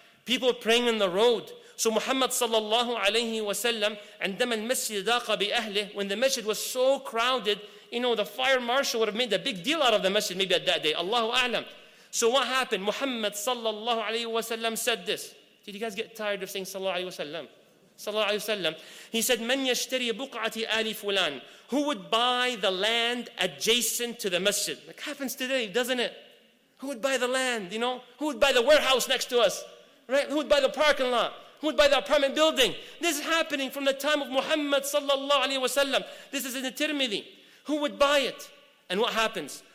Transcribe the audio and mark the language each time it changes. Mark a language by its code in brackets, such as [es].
[en] People praying in the road. So Muhammad sallallahu alayhi wa sallam, [ar] عندما المسجد ضاق بأهله, [en] when the masjid was so crowded, you know, the fire marshal would have made a big deal out of the masjid maybe at that day. Allahu a'lam. So what happened? Muhammad sallallahu alayhi wa sallam said this. Did you guys get tired of saying sallallahu alayhi wa sallam? Sallallahu alayhi wa sallam. He said, [ar] من يشتري بقعة آل فلان? [en] Who would buy the land adjacent to the masjid? Like happens today, doesn't it? Who would buy the land, you know? Who would buy the warehouse next to us? Right? Who would buy the parking lot? Who would buy the apartment building? This is happening from the time of Muhammad sallallahu alayhi wa sallam. This is in the Tirmidhi. Who would buy it? And what happens?